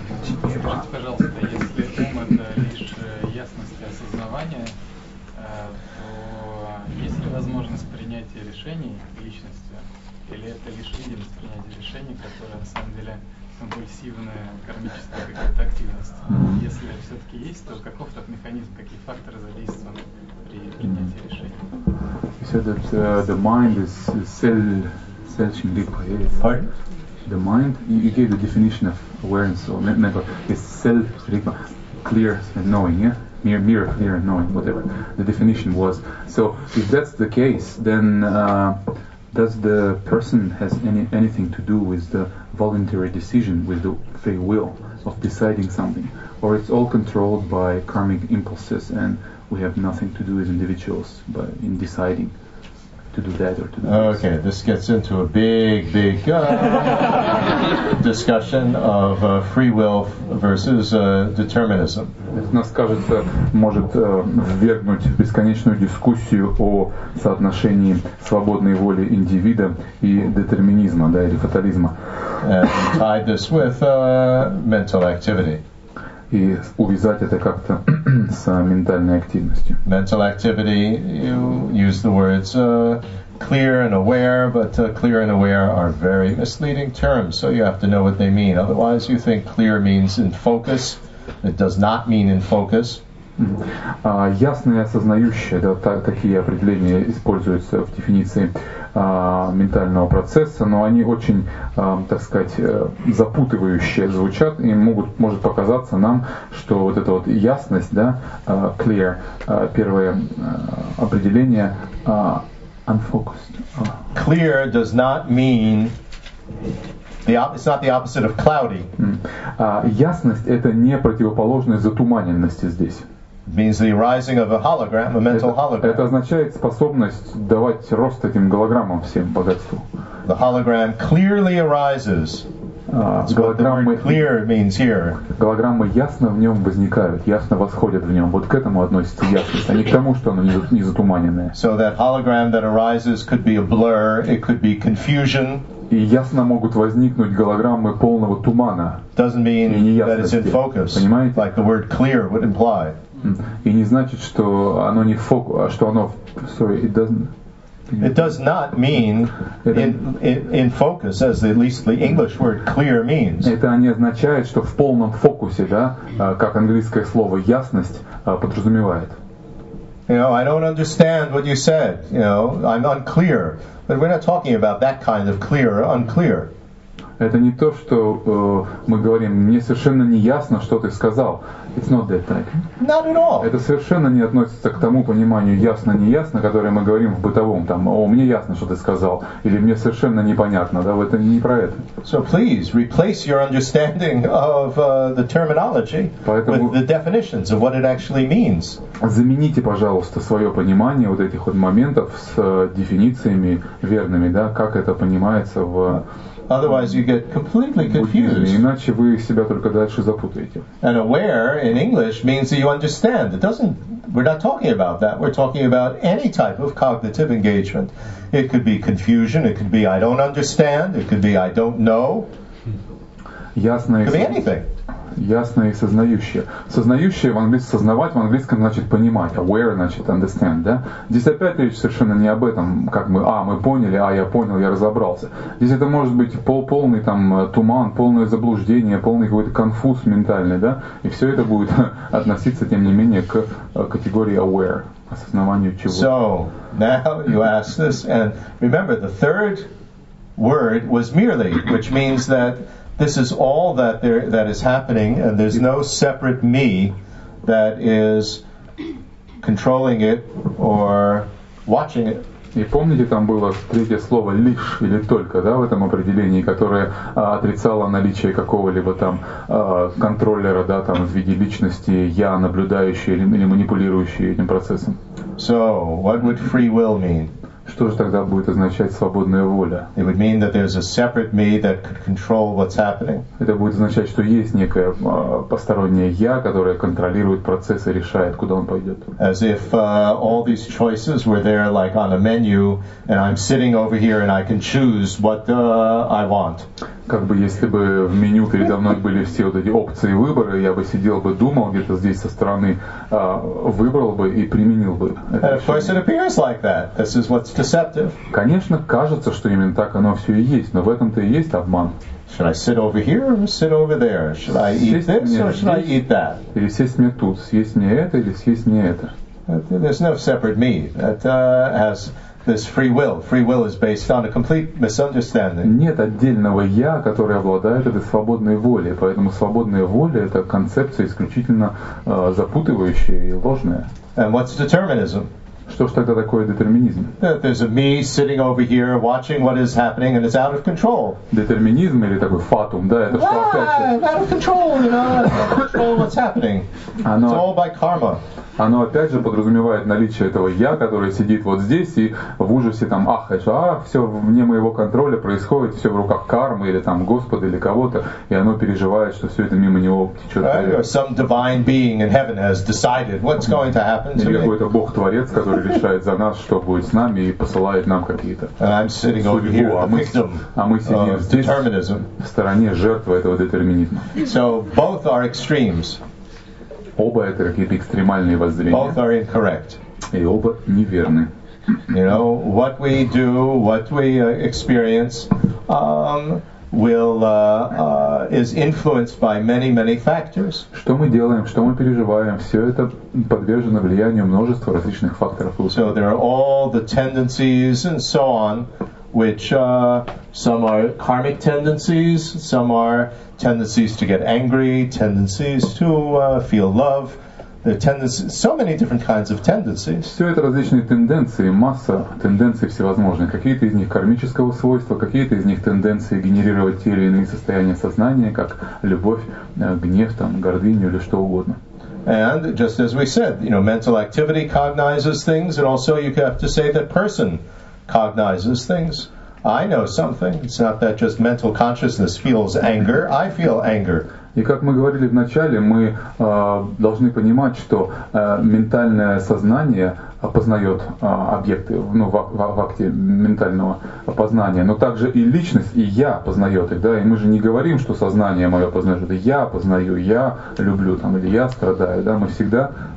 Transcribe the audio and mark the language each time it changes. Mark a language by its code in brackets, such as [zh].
[ru] Скажите, пожалуйста, если ум — это лишь ясность и осознавание, то есть ли возможность принятия решений личностью, или это лишь видимость принятия решений, которая на самом деле компульсивная кармическая какая-то активность? Если все-таки есть, то каков тот механизм, какие факторы задействованы при принятии решений? [en] You said that the mind is searching deeper. Pardon? The mind, you gave the definition of awareness or mental, is self-rigma, clear and knowing, yeah? Mirror, clear and knowing, whatever the definition was. So if that's the case, then does the person has anything to do with the voluntary decision, with the free will of deciding something? Or it's all controlled by karmic impulses and we have nothing to do as individuals but in deciding? Okay, this gets into a big discussion of free will versus determinism. [ru] Это нас, кажется, может ввергнуть в бесконечную дискуссию о соотношении свободной воли индивида и детерминизма, да, или фатализма. [en] And tie this with mental activity. [ru] И увязать это как-то с ментальной активностью. [en] Mental activity, you use the words clear and aware, but clear and aware are very misleading terms, so you have to know what they mean. Otherwise, you think clear means in focus. It does not mean in focus. [ru] Ясное осознающее, да, такие определения используются в дефиниции ментального процесса, но они очень, так сказать, запутывающие звучат и могут, может показаться нам, что вот эта вот ясность, да, clear, первое определение, unfocused. [en] Clear does not mean it's not the opposite of cloudy. [ru] Ясность — это не противоположность затуманенности здесь. [en] Means the arising of a hologram, a mental hologram. [ru] Это означает способность давать рост этим голограммам всем богатству. [en] The hologram clearly arises. [ru] Голограммы [en] clear means here. [ru] Голограммы ясно в нем возникают, ясно восходят в нем. Вот к этому относится ясность, а не к тому, что оно не затуманенное. [en] So that hologram that arises could be a blur, it could be confusion. [ru] И ясно могут возникнуть голограммы полного тумана. [en] Doesn't mean [ru] и неясности. [en] That it's in focus. [ru] Понимаете? [en] Like the word clear would imply. [ru] И не значит, что оно не фокус, что оно, [en] sorry, it doesn't. It does not mean in focus, as at least the English word clear means. [ru] Это не означает, что в полном фокусе, да, как английское слово ясность подразумевает. [en] You know, I don't understand what you said. You know, I'm unclear. But we're not talking about that kind of clear or unclear. [ru] Это не то, что мы говорим, мне совершенно не ясно, что ты сказал. [en] It's not that type. Not at all. [ru] Это совершенно не относится к тому пониманию ясно-неясно, которое мы говорим в бытовом, там, о, мне ясно, что ты сказал, или мне совершенно непонятно, да, это не про это. [en] So please replace your understanding of the terminology with the definitions of what it actually means. [ru] Замените, пожалуйста, свое понимание вот этих вот моментов с дефинициями верными, да, как это понимается в... [en] Otherwise you get completely confused. [ru] Иначе вы себя только дальше запутаете. [en] And aware in English means that you understand. It doesn't, we're not talking about that. We're talking about any type of cognitive engagement. It could be confusion, it could be I don't understand, it could be I don't know. [ru] Ясное. [en] It could be anything. [ru] Ясное и сознающее. Сознающее в английском сознавать, в английском значит понимать. Aware значит understand, да? Здесь опять речь совершенно не об этом, как мы, а, мы поняли, а, я понял, я разобрался. Здесь это может быть полный там туман, полное заблуждение, полный какой-то конфуз ментальный, да? И все это будет относиться, тем не менее, к категории aware, осознаванию чего. [en] So, now you ask this, and remember, the third word was merely, which means that this is all that there that is happening, and there's no separate me that is controlling it or watching it. [ru] И помните, там было третье слово «лишь» или «только», да, в этом определении, которое отрицало наличие какого-либо там контроллера, да, там в виде личности «я», наблюдающий или манипулирующий этим процессом. [en] So, what would free will mean? [ru] Что же тогда будет означать свободная воля? [en] It would mean that there's a separate me that could control what's happening. [ru] Это будет означать, что есть некое постороннее я, которое контролирует процесс и решает, куда он пойдет. [en] As if all these choices were there like on a menu, and I'm sitting over here and I can choose what I want. [ru] Как бы если бы в меню передо мной были все вот эти опции выбора, я бы сидел бы, думал где-то здесь со стороны, выбрал бы и применил бы. Конечно, кажется, что именно так оно все и есть, но в этом-то и есть обман. [en] Should I sit over here or sit over there? Should I eat this or should I eat that? [ru] Или сесть мне тут, съесть мне это или съесть мне это? [en] There's no separate me that has this free will. Free will is based on a complete misunderstanding. [ru] Нет отдельного я, который обладает этой свободной волей, поэтому свободная воля — это концепция исключительно запутывающая и ложная. [en] And what's determinism? [ru] Что ж тогда такое детерминизм? [en] That there's a me sitting over here watching what is happening and it's out of control. [ru] Детерминизм или такой фатум, да, это что опять? [en] Out of control, you know, out of control what's happening. It's all by karma. [ru] Оно опять же подразумевает наличие этого «я», которое сидит вот здесь и в ужасе там ахаешь, все вне моего контроля происходит, все в руках кармы или там Господа или кого-то, и оно переживает, что все это мимо него течет. [en] Some divine being in heaven has decided what's going to happen to me. [ru] Или какой-то Бог-творец, который решает за нас, что будет с нами, и посылает нам какие-то судьбу, а мы сидим здесь в стороне жертвы этого детерминизма. [en] So both are extremes. [ru] Оба это какие-то экстремальные воззрения. [en] Both are incorrect. [ru] И оба неверны. [en] You know, what we do, what we experience, is influenced by many, many factors. [ru] Что мы делаем, что мы переживаем, все это подвержено влиянию множества различных факторов. [en] So there are all the tendencies and so on, which some are karmic tendencies, some are tendencies to get angry, tendencies to feel love, the tendencies, so many different kinds of tendencies. [ru] Все это различные тенденции, масса тенденций всевозможных. Какие-то из них кармического свойства, какие-то из них тенденции генерировать те или иные состояния сознания, как любовь, гнев, там, гордыню или что угодно. [en] And just as we said, you know, mental activity cognizes things, and also you have to say that person cognizes things. I know something. It's not that just mental consciousness feels anger. I feel anger. [ru] И как мы говорили в начале, мы должны понимать, что ментальное сознание опознает объекты, ну, в акте ментального опознания, но также и личность, и я познает их, да, и мы же не говорим, что сознание мое познает, это я познаю, я люблю, там, или я страдаю, да, мы всегда...